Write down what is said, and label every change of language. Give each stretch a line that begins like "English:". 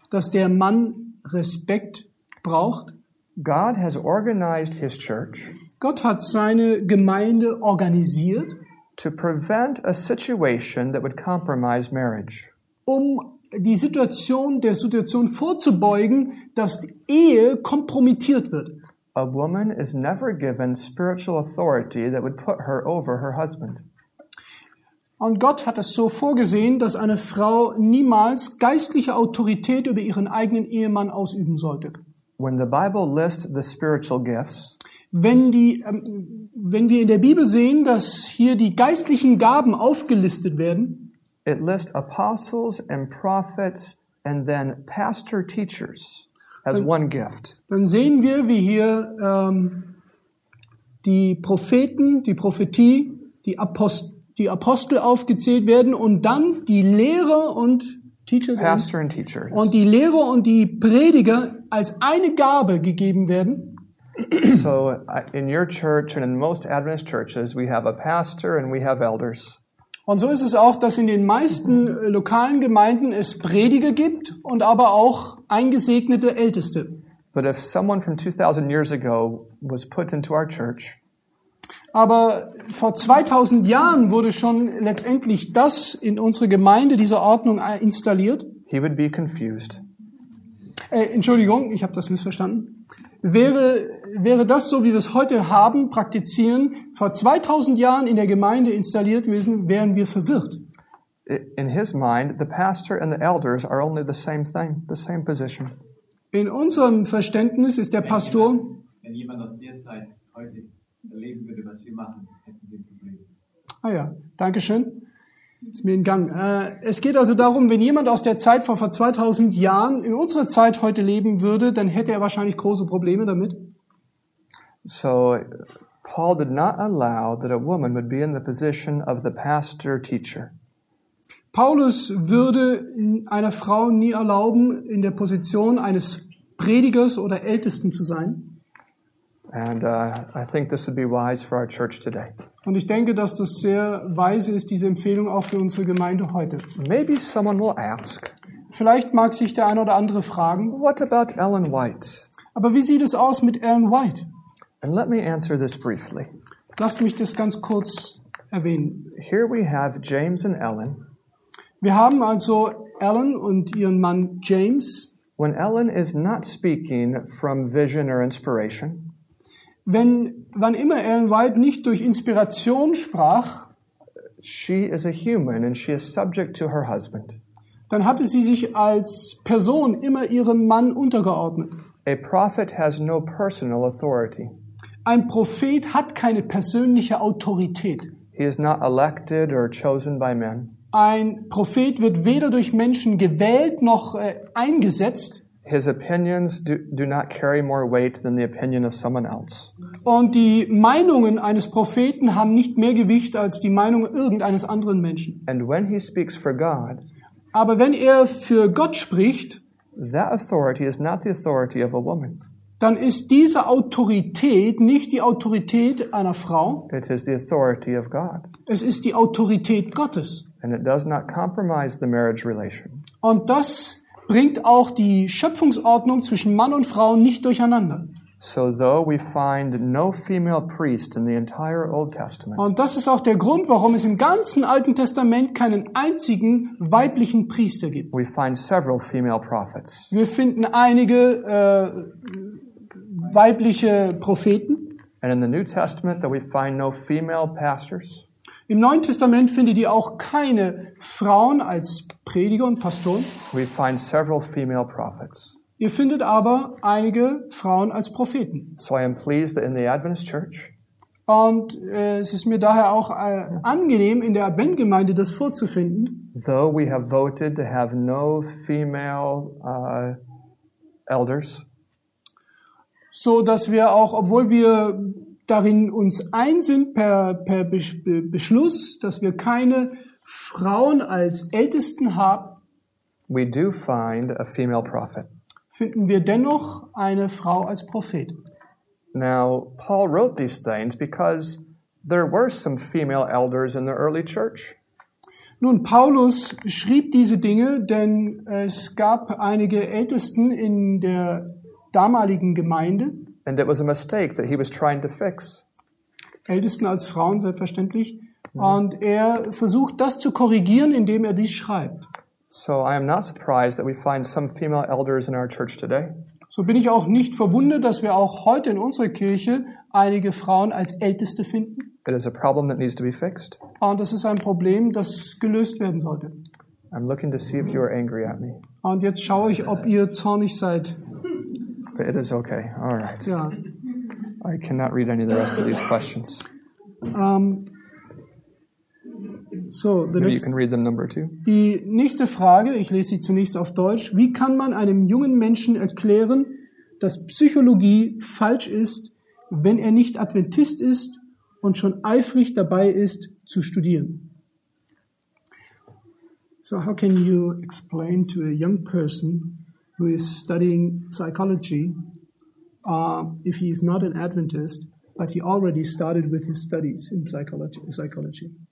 German: Dass der Mann Respekt braucht.
English: God has organized his church.
German: Gott hat seine Gemeinde organisiert.
English: To prevent a situation that would compromise marriage.
German: Um die Situation der Situation vorzubeugen, dass die Ehe kompromittiert wird.
English: A woman is never given spiritual authority that would put her over her husband.
German: Und Gott hat es so vorgesehen, dass eine Frau niemals geistliche Autorität über ihren eigenen Ehemann ausüben sollte.
English: When the Bible lists the spiritual gifts,
German: wenn wir in der Bibel sehen, dass hier die geistlichen Gaben aufgelistet werden,
English: it lists apostles and prophets and then pastor teachers as one gift.
German: Dann sehen wir, wie hier die Propheten, die Prophetie, die Apostel aufgezählt werden und dann die Lehrer und Teachers.
English: Pastor and teachers.
German: Und die Lehrer und die Prediger als eine Gabe gegeben werden.
English: So in your church and in most Adventist churches we have a pastor and we have elders.
German: Und so ist es auch, dass in den meisten lokalen Gemeinden es Prediger gibt und aber auch eingesegnete Älteste.
English: But if someone from 2000 years ago was put into our church.
German: Aber vor 2000 Jahren wurde schon letztendlich das in unsere Gemeinde, diese Ordnung installiert.
English: He would be confused.
German: Entschuldigung, ich habe das missverstanden. Wäre das so, wie wir es heute haben, praktizieren, vor 2000 Jahren in der Gemeinde installiert gewesen, wären wir verwirrt.
English: In his mind, the pastor and the elders are only the same thing, the same position.
German: In unserem Verständnis ist der Pastor. Wenn jemand aus der Zeit heute erleben würde, was wir machen, hätten wir ein Problem. Ah ja, danke schön. Ist mir in Gang. Es geht also darum, wenn jemand aus der Zeit von vor 2000 Jahren in unserer Zeit heute leben würde, dann hätte er wahrscheinlich große Probleme damit.
English: So, Paul did not allow that a woman would be in the position of the pastor teacher.
German: Paulus würde einer Frau nie erlauben, in der Position eines Predigers oder Ältesten zu sein.
English: And I think this would be wise for our church today.
German: Und ich denke, dass das sehr weise ist, diese Empfehlung auch für unsere Gemeinde heute.
English: Maybe someone will ask.
German: Vielleicht mag sich der eine oder andere fragen.
English: What about Ellen White?
German: Aber wie sieht es aus mit Ellen White?
English: And let me answer this briefly.
German: Lasst mich das ganz kurz erwähnen.
English: Here we have James and Ellen.
German: Wir haben also Ellen und ihren Mann James.
English: When Ellen is not speaking from vision or inspiration.
German: wann immer Ellen White nicht durch Inspiration sprach,
English: she is a human and she is subject to her husband.
German: Dann hatte sie sich als Person immer ihrem Mann untergeordnet.
English: A prophet has no personal authority.
German: Ein Prophet hat keine persönliche Autorität.
English: He is not elected or chosen by men.
German: Ein Prophet wird weder durch Menschen gewählt noch eingesetzt.
English: His opinions do not carry more weight than the opinion of someone else.
German: Und die Meinungen eines Propheten haben nicht mehr Gewicht als die Meinung irgendeines anderen Menschen.
English: And when he speaks for God,
German: aber wenn er für Gott spricht,
English: that authority is not the authority of a woman.
German: Dann ist diese Autorität nicht die Autorität einer Frau.
English: It is the authority of God.
German: Es ist die Autorität Gottes.
English: And it does not compromise the marriage relation.
German: Und das bringt auch die Schöpfungsordnung zwischen Mann und Frau nicht durcheinander.
English: So though we find no female priest in the entire Old Testament.
German: Und das ist auch der Grund, warum es im ganzen Alten Testament keinen einzigen weiblichen Priester gibt.
English: We find several female prophets.
German: Wir finden einige weibliche Propheten.
English: And in the New Testament that we find no female pastors.
German: Im Neuen Testament findet ihr auch keine Frauen als Prediger und Pastoren.
English: We find several female prophets.
German: Ihr findet aber einige Frauen als Propheten.
English: So I am pleased that in the Adventist Church.
German: Und es ist mir daher auch angenehm, in der Adventgemeinde das vorzufinden.
English: Though we have voted to have no female elders.
German: So dass wir auch, obwohl wir darin uns ein sind per Beschluss, dass wir keine Frauen als Ältesten haben.
English: We do find a female prophet.
German: Finden wir dennoch eine Frau als Prophet.
English: Now Paul wrote these things because there were some female elders in the early church.
German: Nun, Paulus schrieb diese Dinge, denn es gab einige Ältesten in der damaligen Gemeinde.
English: And it was a mistake that he was trying to fix.
German: Ältesten als Frauen, selbstverständlich. Mm-hmm. Und er versucht, das zu korrigieren, indem er dies schreibt.
English: So I am not surprised that we find some female elders in our church today.
German: So bin ich auch nicht verwundert, dass wir auch heute in unserer Kirche einige Frauen als Älteste finden.
English: It is a problem that needs to be fixed.
German: Und das ist ein Problem, das gelöst werden sollte.
English: I'm looking to see if you are angry at me.
German: Und jetzt schaue ich, ob ihr zornig seid.
English: But it is okay. All right.
German: Ja.
English: I cannot read any of the rest of these questions. So, you can read them number two.
German: Die nächste Frage, ich lese sie zunächst auf Deutsch. Wie kann man einem jungen Menschen erklären, dass Psychologie falsch ist, wenn er nicht Adventist ist und schon eifrig dabei ist, zu studieren?
English: So, how can you explain to a young person who is studying psychology, if he is not an Adventist, but he already started with his studies in psychology?